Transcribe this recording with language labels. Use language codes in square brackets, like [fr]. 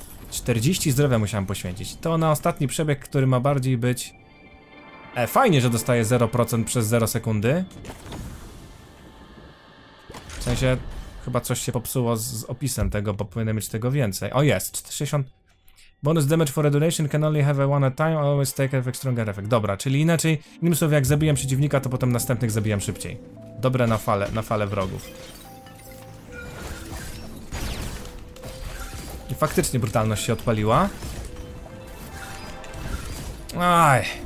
[pl] 40 zdrowia musiałem poświęcić. To na ostatni przebieg, który ma bardziej być... fajnie, że dostaję 0% przez 0 sekundy. W sensie, chyba coś się popsuło z opisem tego, bo powinienem mieć tego więcej. O, jest, 60... [en] Bonus damage for a duration can only have a one at time, always take effect stronger effect. [pl] Dobra, czyli inaczej, innym słowy, jak zabijam przeciwnika, to potem następnych zabijam szybciej. Dobre na fale wrogów. I faktycznie brutalność się odpaliła. Aj.